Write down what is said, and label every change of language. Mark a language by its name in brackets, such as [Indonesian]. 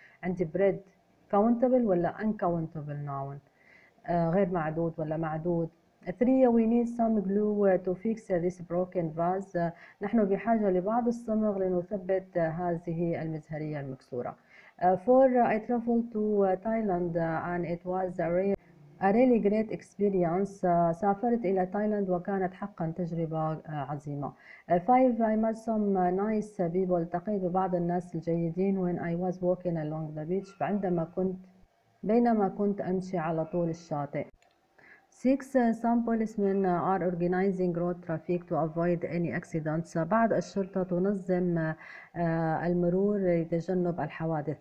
[Arabic] عندي بريد كومنتبل ولا ان كومنتبل ناون، غير معدود ولا معدود. 3. [English] We need some glue to fix this broken vase، [Arabic] نحن بحاجة لبعض الصمغ لنثبت هذه المزهرية المكسورة. 4. [English] I traveled to Thailand and it was a really great experience. [Arabic] سافرت إلى تايلاند وكانت حقا تجربة عظيمة. 5. [English] I met some nice people، [Arabic] التقيت ببعض الناس الجيدين. [English] When I was walking along the beach، [Arabic] بينما كنت أمشي على طول الشاطئ. [English] 6. Some policemen are organizing road traffic to avoid any accidents، [Arabic] بعض الشرطة تنظم المرور لتجنب الحوادث.